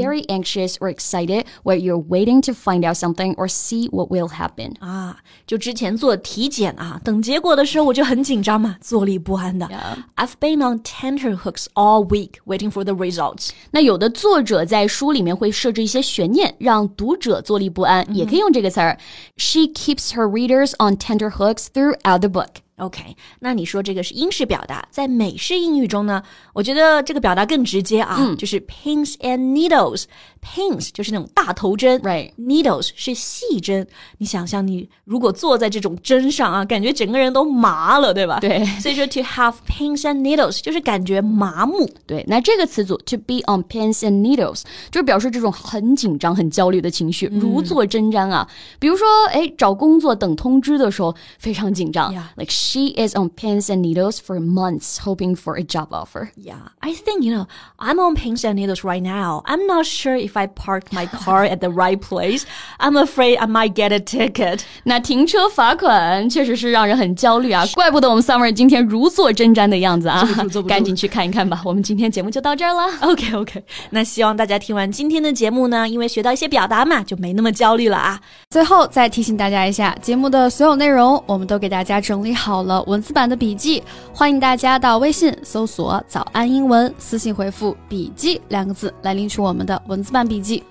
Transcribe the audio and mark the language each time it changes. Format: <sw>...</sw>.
<en>Very anxious or excited where you're waiting to find out something or see what will happen.</en> <zh>啊就之前做体检啊等结果的时候我就很紧张嘛坐立不安的、</zh> <en>yeah. I've been on tenterhooks all week waiting for the results.</en> <zh>那有的作者在书里面会设置一些悬念让读者坐立不安、mm-hmm. 也可以用这个词儿</zh> <en>She keeps her readers on tenterhooks throughout the book.</en> <zh>OK, 那你说这个是英式表达在美式英语中呢我觉得这个表达更直接啊、嗯、就是 pins and needles. Pins 就是那种大头针、</zh> <en>right.</en> <zh>Needles 是细针你想象你如果坐在这种针上啊感觉整个人都麻了对吧对所以说 to have pins and needles 就是感觉麻木对那这个词组 to be on pins and needles 就是表示这种很紧张很焦虑的情绪、嗯、如坐针毡啊比如说哎，找工作等通知的时候非常紧张、</zh> <en>yeah. Like she is on pins and needles for months hoping for a job offer Yeah, I think you know I'm on pins and needles right now I'm not sure if I park my car at the right place, I'm afraid I might get a ticket.</en> <zh>那停车罚款确实是让人很焦虑啊，怪不得我们 Summer 今天如坐针毡的样子啊，赶紧去看一看吧。我们今天节目就到这儿了。 OK, OK, 那希望大家听完今天的节目呢，因为学到一些表达嘛，就没那么焦虑了啊。最后再提醒大家一下，节目的所有内容我们都给大家整理好了文字版的笔记，欢迎大家到微信搜索早安英文，私信回复笔记两个字来领取我们的文字版笔记。</zh>